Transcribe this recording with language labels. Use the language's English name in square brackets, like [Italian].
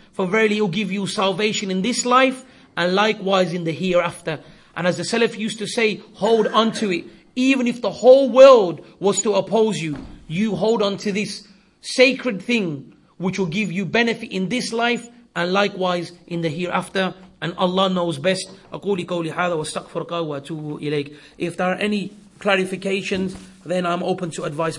[English] For verily it will give you salvation in this life and likewise in the hereafter. And as the Salaf used to say, hold on to it. Even if the whole world was to oppose you, you hold on to this sacred thing which will give you benefit in this life and likewise in the hereafter. And Allah knows best. [Arabic] أقولي قولي هذا واستغفرك واتوب إليك. [English] If there are any clarifications, then I'm open to advice.